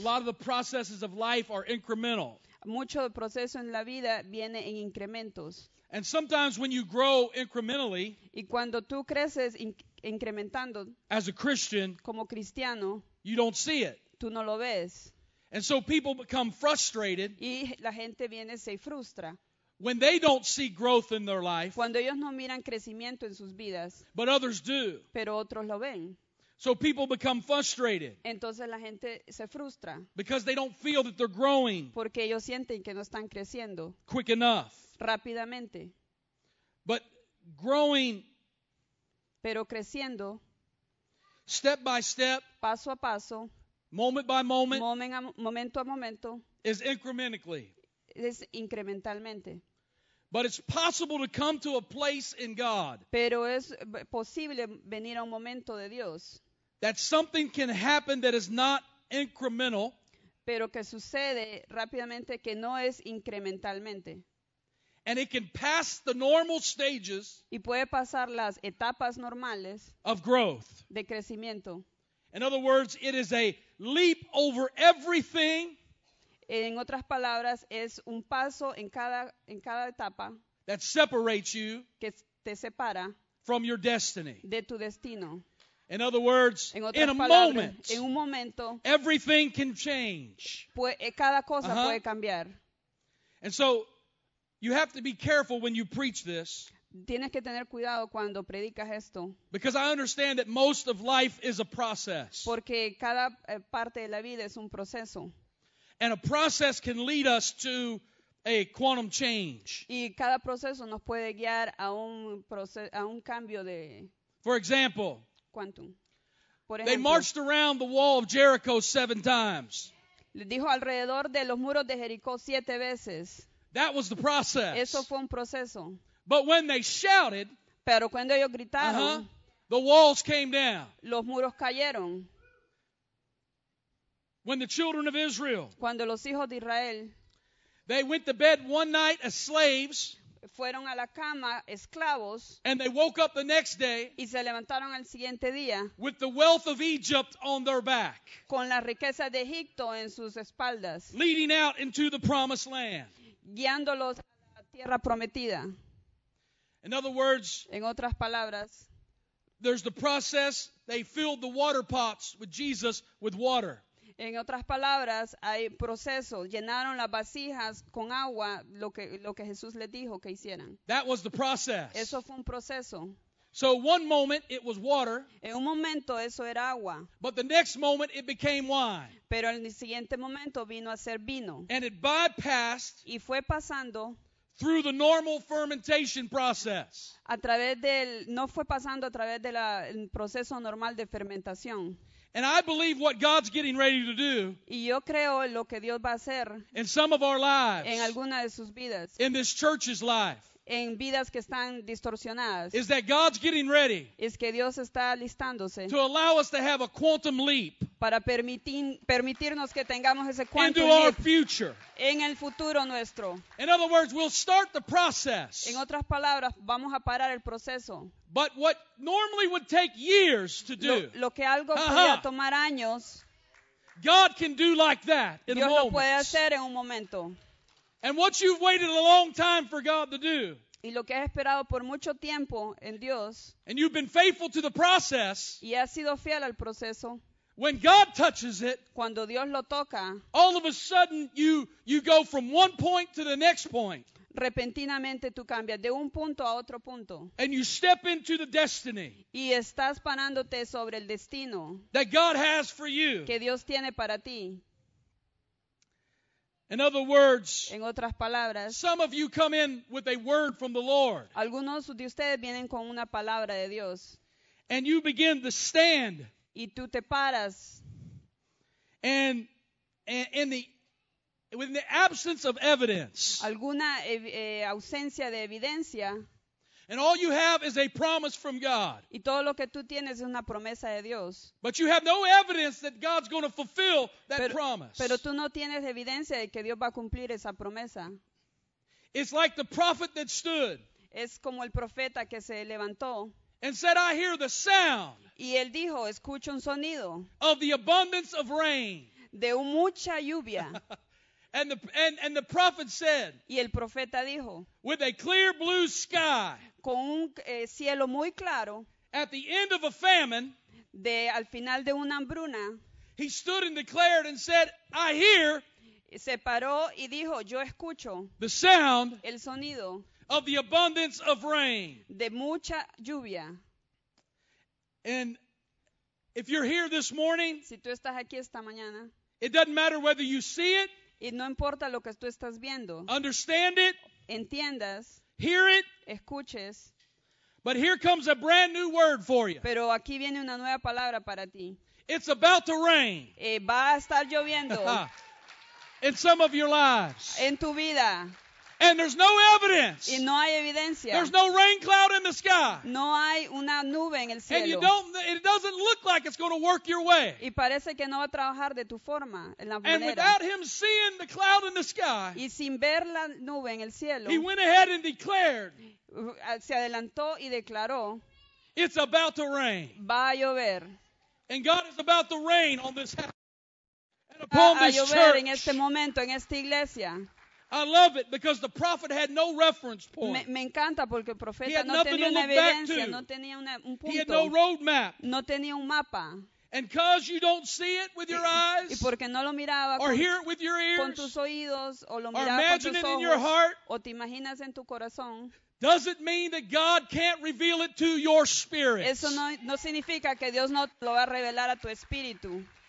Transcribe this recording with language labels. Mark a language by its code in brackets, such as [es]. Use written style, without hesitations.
[en] A lot of the processes of life are incremental. [es] Mucho del proceso en la vida viene en incrementos. [en] And sometimes when you grow incrementally, [es] y cuando tú creces incrementando, [en] as a Christian, [es] como cristiano, [en] you don't see it. [es] Tú no lo ves. [en] And so people become frustrated, [es] y la gente viene, se frustra, [en] when they don't see growth in their life, [es] cuando ellos no miran crecimiento en sus vidas, [en] but others do. [es] Pero otros lo ven. [en] So people become frustrated, [es] entonces la gente se frustra, [en] because they don't feel that they're growing, [es] porque ellos sienten que no están creciendo, [en] quick enough, [es] rápidamente. [en] But growing, [es] pero creciendo, [en] step by step, [es] paso a paso, [en] moment by moment, [es] momento a momento, [en] is incrementally. [es] Es incrementalmente. [en] But it's possible to come to a place in God. [es] Pero es posible venir a un momento de Dios. [en] That something can happen that is not incremental. [es] Pero que sucede rápidamente que no es incrementalmente. [en] And it can pass the normal stages. [es] Y puede pasar las etapas normales. [en] Of growth. [es] De crecimiento. [en] In other words, it is a leap over everything. [es] En otras palabras, es un paso en cada etapa [en] that separates you [es] que te separa [en] from your destiny. [es] De tu destino. [en] In other words, [es] en otras [en] in [es] palabras, [en] a moment, [es] en un momento, [en] everything can change. [es] Cada cosa puede cambiar. [en] And so, you have to be careful when you preach this. [es] Tienes que tener cuidado cuando predicas esto. [en] Because I understand that most of life is a process. [es] Porque cada parte de la vida es un proceso. [en] And a process can lead us to a quantum change. [es] Y cada proceso nos puede guiar a un proceso, a un cambio de. [en] For example, [es] quantum. Por ejemplo, [en] they marched around the wall of Jericho 7 times. [es] Le dijo alrededor de los muros de Jericó 7 veces. [en] That was the process. [es] Eso fue un proceso. [en] But when they shouted, [es] pero cuando ellos gritaron, [en] the walls came down. [es] Los muros cayeron. [en] When the children of Israel, [es] cuando los hijos de Israel, [en] they went to bed one night as slaves, [es] fueron a la cama esclavos, [en] and they woke up the next day, [es] y se levantaron al siguiente día, [en] with the wealth of Egypt on their back, [es] con la riqueza de Egipto en sus espaldas, [en] leading out into the promised land, [es] guiándolos a la tierra prometida. [en] In other words, [es] en otras palabras, [en] there's the process. They filled the water pots with Jesus with water. [es] En otras palabras, hay proceso. Llenaron las vasijas con agua, lo que Jesús les dijo que hicieran. [en] That was the process. [es] Eso fue un proceso. [en] So one moment it was water. [es] En un momento eso era agua. [en] But the next moment it became wine. [es] Pero en el siguiente momento vino a ser vino. [en] And it bypassed. [es] Y fue pasando. [en] Through the normal fermentation process. [es] A través del, no fue pasando a través del proceso normal de fermentación. [en] And I believe what God's getting ready to do. [es] Y yo creo lo que Dios va a hacer. [en] In some of our lives. [es] En alguna de sus vidas. [en] In this church's life. [es] En vidas que están distorsionadas. [en] Is that God's getting ready. [es] Es que Dios está listándose. [en] To allow us to have a quantum leap. [es] Para permitirnos que tengamos ese quantum [en] into leap. Into our future. [es] En el futuro nuestro. [en] In other words, we'll start the process. [es] En otras palabras, vamos a parar el proceso. [en] But what normally would take years to do. [es] Lo que algo podría tomar años. [en] God can do like that in [es] Dios [en] a moment. [es] Lo puede hacer en un momento. [en] And what you've waited a long time for God to do. [es] Y lo que has esperado por mucho tiempo en Dios. [en] And you've been faithful to the process. [es] Y has sido fiel al proceso. [en] When God touches it. [es] Cuando Dios lo toca. [en] All of a sudden you go from one point to the next point. [es] Repentinamente tú cambias de un punto a otro punto. [en] And you step into the destiny. [es] Y estás parándote sobre el destino. [en] That God has for you. [es] Que Dios tiene para ti. [en] In other words, [es] en otras palabras, [en] some of you come in with a word from the Lord. [es] Algunos de ustedes vienen con una palabra de Dios. [en] And you begin to stand. [es] Y tú te paras. [en] And in the within the absence of evidence. [es] Alguna ausencia de evidencia. [en] And all you have is a promise from God. [es] Y todo lo que tú tienes es una promesa de Dios. [en] But you have no evidence that God's going to fulfill that promise. [es] Pero tú no tienes evidencia de que Dios va a cumplir esa promesa. [en] It's like the prophet that stood. [es] Es como el profeta que se levantó. [en] And said, I hear the sound. [es] Y él dijo, escucho un sonido. [en] Of the abundance of rain. [es] De mucha lluvia. [en] And the prophet said. [es] Y el profeta dijo. [en] With a clear blue sky. [es] Con un cielo muy claro. [en] At the end of a famine. [es] De al final de una hambruna. [en] He stood and declared and said, I hear. [es] Se paró y dijo, yo escucho. [en] The sound. [es] El sonido. [en] Of the abundance of rain. [es] De mucha lluvia. [en] And if you're here this morning, [es] si tú estás aquí esta mañana, [en] it doesn't matter whether you see it, [es] y no importa lo que tú estás viendo, [en] understand it, [es] entiendas, [en] hear it, [es] escuches, [en] but here comes a brand new word for you. [es] Pero aquí viene una nueva palabra para ti. [en] It's about to rain. [es] Va a estar lloviendo. [en] In some of your lives. [es] En tu vida. [en] And there's no evidence. [es] Y no hay evidencia. [en] There's no rain cloud in the sky. [es] No hay una nube en el cielo. [en] And you don't, it doesn't look like it's going to work your way. [es] Y parece que no va a trabajar de tu forma, en la manera. [en] And without him seeing the cloud in the sky, [es] y sin ver la nube en el cielo, [en] he went ahead and declared, [es] se adelantó y declaró, [en] it's about to rain. [es] Va a llover. [en] And God is about to rain on this house. And upon this church. [es] Va a llover en este momento, en esta iglesia. [en] I love it because the prophet had no reference point. [es] Me encanta porque el profeta no tenía una evidencia, no tenía un punto. [en] He had no road map. [es] No tenía un mapa. [en] And because you don't see it with your eyes, [es] y porque no lo miraba [en] or hear it with your ears, [es] con tus oídos, o lo miraba [en] or imagine [es] con tus [en] it [es] ojos, [en] in your heart, [es] o te imaginas en tu corazón, [en] doesn't mean that God can't reveal it to your spirit. [es] Eso no significa que Dios no lo va a revelar a tu espíritu.